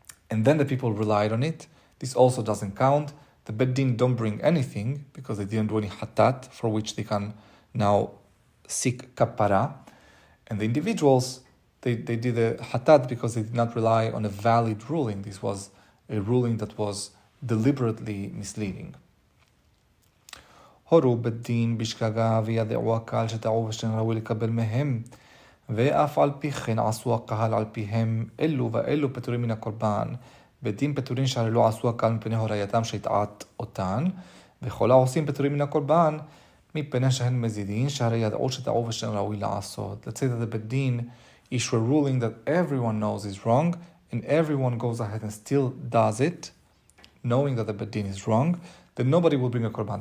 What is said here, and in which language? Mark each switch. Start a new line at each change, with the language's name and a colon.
English: And then the people relied on it. This also doesn't count. The Bet Din don't bring anything because they didn't do any hatat for which they can now seek kapara. And the individuals, they did a hatat because they did not rely on a valid ruling. This was a ruling that was deliberately misleading.
Hebrew: הורו בית דין בשגגה וידעו הקהל שטעו ושאין ראוי לקבל מהם ואף על פי כן עשו הקהל על פיהם אלו ואלו פטורים מן הקורבן בית דין פטורים שהרי לא עשו הקהל מפני הורייתם שהטעת אותן וכל העושים פטורים מן הקורבן מפני שהן מזידים שהרי ידעו שטעו ושאין ראוי לעשות.
English: Let's say that the Bet Din issue a ruling that everyone knows is wrong and everyone goes ahead and still does it knowing that the Bet Din is wrong, then nobody will bring a korban.